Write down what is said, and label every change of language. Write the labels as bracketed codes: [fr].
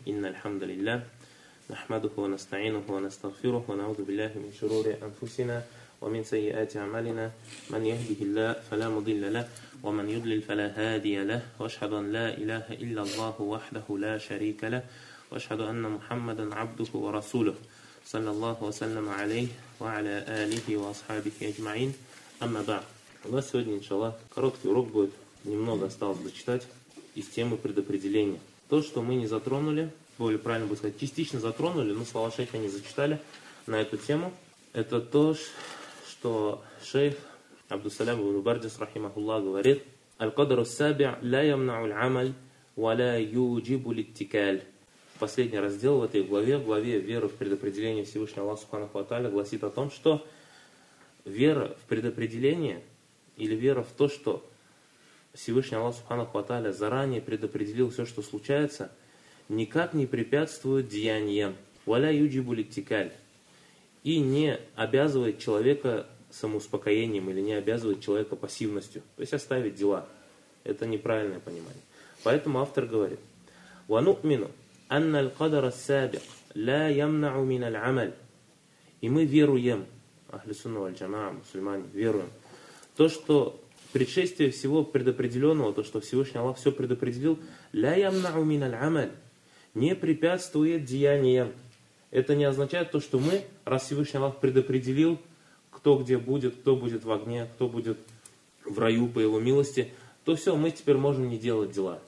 [ar] إن الحمد لله نحمده ونستعينه ونستغفره ونعوذ بالله من شرور أنفسنا ومن سيئات أعمالنا. من يهده الله فلا مضل له ومن يضلل فلا هادي له. وأشهد أن لا إله إلا الله وحده لا شريك له وأشهد أن محمدا عبده ورسوله صلى الله وسلم عليه وعلى آله وأصحابه أجمعين. أما بعد, [ru] у нас сегодня, иншаллах, короткий урок будет, немного осталось дочитать из темы предопределения. То, что мы не затронули, более правильно будет сказать, частично затронули, но слова шейха не зачитали на эту тему, это то, что шейх Абдусалям ибн Бардис, рахимахуллах, говорит: [ar] «Аль-кадру ас-сабиъ ля ямнау аль-амаль, ва ля юджибу литтикаль». [ru] Последний раздел в этой главе, в главе «Вера в предопределение Всевышнего Аллаха Субханаху ва Тааля», гласит о том, что вера в предопределение или вера в то, что Всевышний Аллах Субханаху ва Тааля заранее предопределил все, что случается, никак не препятствует деяниям. [ar] Валя юджибу литтикаль. [ru] И не обязывает человека самоуспокоением или не обязывает человека пассивностью. То есть оставить дела. Это неправильное понимание. Поэтому автор говорит: [ar] وَنُؤْمِنُ أَنَّ الْقَدَرَ السَّابِقُ لَا يَمْنَعُ مِنَ الْعَمَلِ. [ru] И мы веруем, Ахли Сунна валь Джамаа, мусульмане, веруем, то, что предшествие всего предопределенного, то, что Всевышний Аллах все предопределил, [ar] «ля ямнау мин аль-амаль», [ru] не препятствует деяниям. Это не означает то, что мы, раз Всевышний Аллах предопределил, кто где будет, кто будет в огне, кто будет в раю по его милости, то все, мы теперь можем не делать дела.